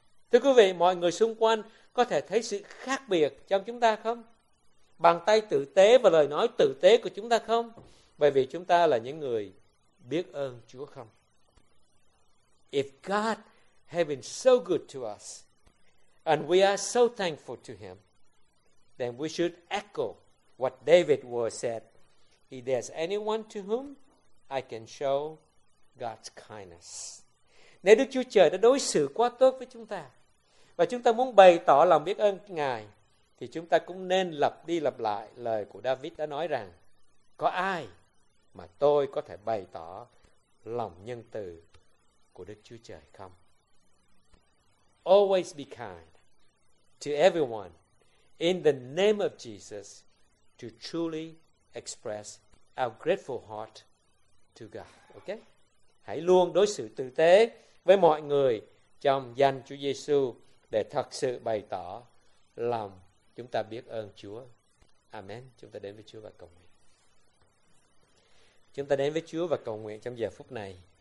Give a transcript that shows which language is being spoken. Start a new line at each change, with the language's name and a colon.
Vietnamese: Thưa quý vị, mọi người xung quanh có thể thấy sự khác biệt trong chúng ta không? Bàn tay tử tế và lời nói tử tế của chúng ta không? Bởi vì chúng ta là những người biết ơn Chúa không?
English: If God has been so good to us and we are so thankful to Him, then we should echo what David was said. If there's anyone to whom I can show God's kindness.
Vietnamese: Nếu Đức Chúa Trời đã đối xử quá tốt với chúng ta và chúng ta muốn bày tỏ lòng biết ơn Ngài, thì chúng ta cũng nên lặp đi lặp lại lời của David đã nói rằng, có ai mà tôi có thể bày tỏ lòng nhân từ của Đức Chúa Trời không?
English: Always be kind to everyone in the name of Jesus to truly express our grateful heart to God. Okay?
Vietnamese: Hãy luôn đối xử tử tế với mọi người trong danh Chúa Giêsu để thật sự bày tỏ lòng chúng ta biết ơn Chúa. Amen. Chúng ta đến với Chúa và cầu nguyện. Chúng ta đến với Chúa và cầu nguyện trong giờ phút này.